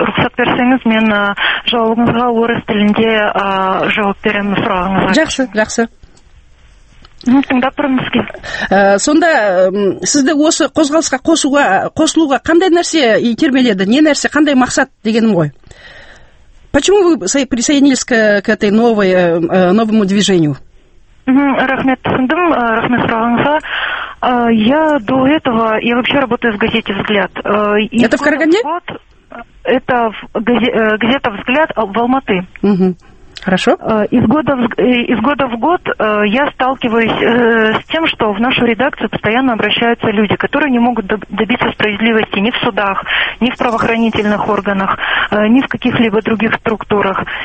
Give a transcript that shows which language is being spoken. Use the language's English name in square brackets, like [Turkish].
[Kazakh] Рұқсат берсеңіз, мен жауабыңызға орыс тілінде жауап беремін сұрағыңызға. Жақсы, жақсы. Тыңдап тұрмыз ке. Сонда сізді осы қозғалысқа қосылуға қандай нәрсе итермеледі, не нәрсе, қандай мақсат дегенім ғой? [Russian] Почему вы присоединились к этой новому движению? [Kazakh] Рахмет түсіндім, рахмет сұрағыңызға. [Russian] Я до этого, я вообще работаю в газете «Взгляд». Это в Караганде? Это газета «Взгляд» в Алматы. Хорошо. Из года в год я сталкиваюсь с тем, что в нашу редакцию постоянно обращаются люди, которые не могут добиться справедливости ни в судах, ни в правоохранительных органах, ни в каких-либо других структурах.